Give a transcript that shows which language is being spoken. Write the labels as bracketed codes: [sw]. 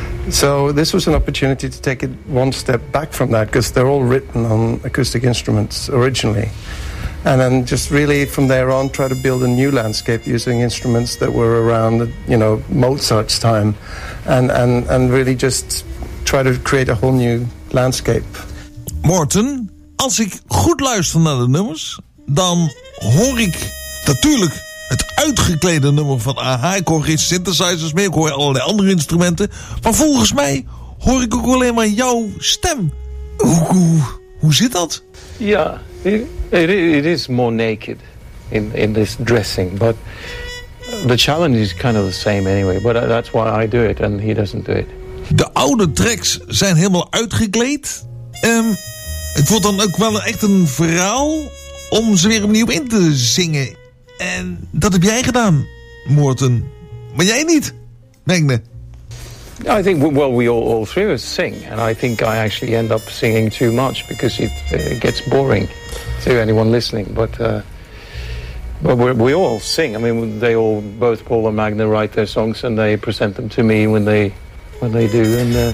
[en] So this was an opportunity to take it one step back from that, because they're all written on acoustic instruments originally. And then just really from there on try to build a new landscape using instruments that were around, you know, Mozart's time, and really just try to create a whole new landscape. [nl] Morten, als ik goed luister naar de nummers, dan hoor ik natuurlijk het uitgeklede nummer van A-ha. Ik hoor geen synthesizers meer, ik hoor allerlei andere instrumenten. Maar volgens mij hoor ik ook alleen maar jouw stem. Hoe zit dat? [en] Ja, it is more naked in this dressing. But the challenge is kind of the same anyway. But that's why I do it and he doesn't do it. [nl] De oude tracks zijn helemaal uitgekleed. Het wordt dan ook wel echt een verhaal om ze weer opnieuw in te zingen. En dat heb jij gedaan, Morten. Maar jij niet, Magne. [en] I think, well, we all three of us sing. And I think I actually end up singing too much, because it gets boring to anyone listening. But we all sing. I mean, they all, both Paul and Magne, write their songs and they present them to me when they do. And,